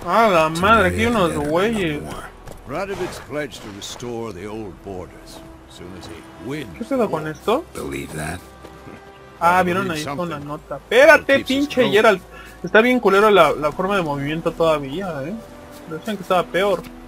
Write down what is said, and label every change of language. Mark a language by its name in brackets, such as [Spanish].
[Spanish] Ah, la madre, aquí hay unos güeyes. [English] Radovid's pledged to restore the old borders as soon as he wins. [Spanish] ¿Qué pasa con esto? [English] Believe that. [Spanish] Ah, vieron ahí con la nota. Espérate, pinche Geralt. Está bien culero la forma de movimiento todavía, ¿eh? Decían que estaba peor.